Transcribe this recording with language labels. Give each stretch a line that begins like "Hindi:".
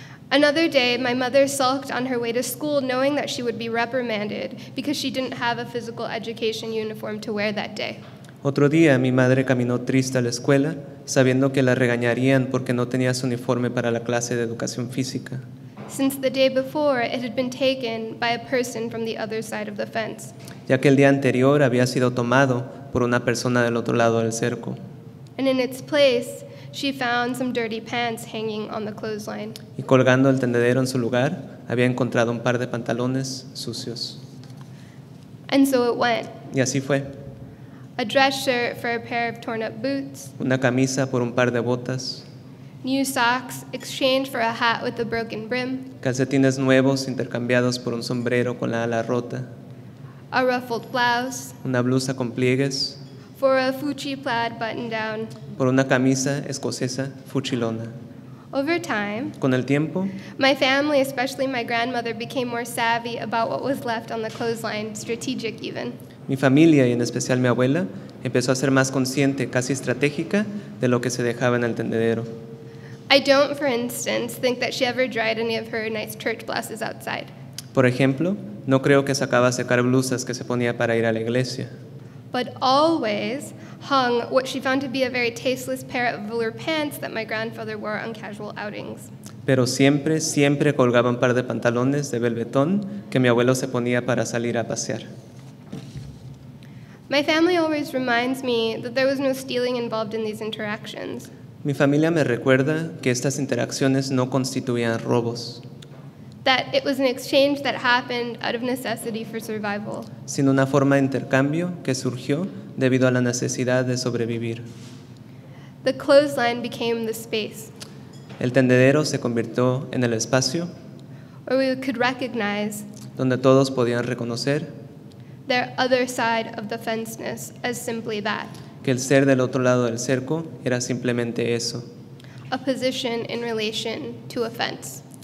English: Another day, my mother sulked on her way to school knowing that she would be reprimanded because she didn't have a physical education uniform to wear that day.
Spanish: Otro día, mi madre caminó triste a la escuela sabiendo que la regañarían porque no tenía su uniforme para la clase de educación física.
English: Since the day before, it had been taken by a person from the other side of the fence.
Spanish: Ya que el día anterior había sido tomado por una persona del otro lado del cerco.
English: And in its place, she found some dirty pants hanging on the clothesline.
Spanish: Y colgando el tendedero en su lugar, había encontrado un par de pantalones sucios.
English: And so it went.
Spanish: Y así fue.
English: A dress shirt for a pair of torn up boots.
Spanish: Una camisa por un par de botas.
English: New socks exchanged for a hat with a broken brim.
Spanish: Calcetines nuevos intercambiados por un sombrero con la ala rota.
English: A ruffled blouse.
Spanish: Una blusa con pliegues.
English: For a fuchi plaid button down.
Spanish: Por una camisa escocesa fuchilona.
English: Over time,
Spanish: con el tiempo,
English: my family, especially my grandmother, became more savvy about what was left on the clothesline, strategic even.
Spanish: Mi familia, y en especial mi abuela, empezó a ser más consciente, casi estratégica, de lo que se dejaba en el tendedero.
English: I don't, for instance, think that she ever dried any of her nice church blouses outside.
Spanish: Por ejemplo, no creo que sacaba a secar blusas que se ponía para ir a la iglesia.
English: But always hung what she found to be a very tasteless pair of velour pants that my grandfather wore on casual outings.
Spanish: Pero siempre, siempre colgaba un par de pantalones de velvetón que mi abuelo se ponía para salir a pasear.
English: My family always reminds me that there was no stealing involved in these interactions.
Spanish: Mi familia me recuerda que estas interacciones no constituían robos.
English: That it was an exchange that happened out of necessity for survival.
Spanish: Sino una forma de intercambio que surgió debido a la necesidad de sobrevivir.
English: The clothesline became the space.
Spanish: El tendedero se convirtió en el espacio.
English: Where we could recognize.
Spanish: Donde todos podían reconocer.
English: Their other side of the fenceness as simply that.
Spanish: Que el ser del otro lado del cerco era simplemente eso.
English: A position in relation to a fence.